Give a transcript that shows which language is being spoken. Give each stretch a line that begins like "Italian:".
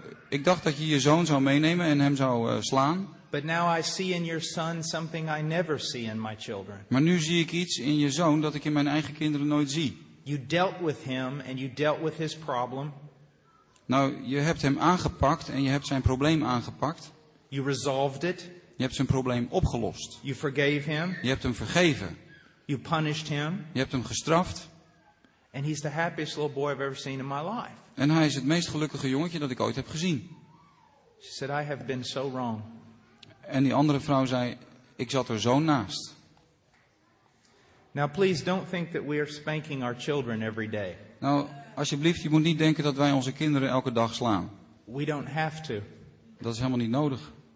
Dutch: Ik dacht dat je je zoon zou meenemen en hem zou slaan.
English: But now I see in your son something I never see in my children.
Dutch: Maar nu zie ik iets in je zoon dat ik in mijn eigen kinderen nooit zie.
English: You dealt with him and you dealt with his problem.
Dutch: Nou, je hebt hem aangepakt en je hebt zijn probleem aangepakt.
English: You resolved it.
Dutch: Je hebt zijn probleem opgelost.
English: You forgave him.
Dutch: Je hebt hem vergeven.
English: You punished him.
Dutch: Je hebt hem gestraft.
English: And he's the happiest little boy I've ever seen in my life.
Dutch: En hij is het meest gelukkige jongetje dat ik ooit heb gezien.
English: She said, I have been so wrong.
Dutch: En die andere vrouw zei, ik zat er zo naast.
English: Now please don't think that we are spanking our children every day.
Dutch: Nou, alsjeblieft, je moet niet denken dat wij onze kinderen elke dag slaan.
English: We don't have to.
Dutch: Dat is helemaal niet nodig.